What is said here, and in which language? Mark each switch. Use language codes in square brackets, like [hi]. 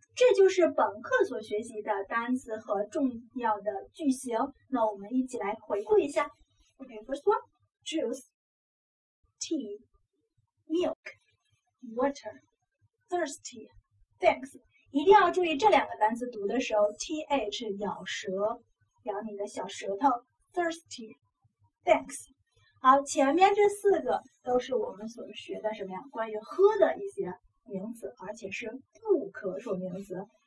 [zh] 这就是本课所学习的单词和重要的句型。那我们一起来回顾一下。 [en] Okay, first one, juice, tea, milk, water, thirsty, thanks. [zh] 一定要注意这两个单词读的时候 ,th 咬舌，咬你的小舌头 ,thirsty, thanks. 好，前面这四个都是我们所学的什么呀？关于喝的一些名词，而且是不可数名词。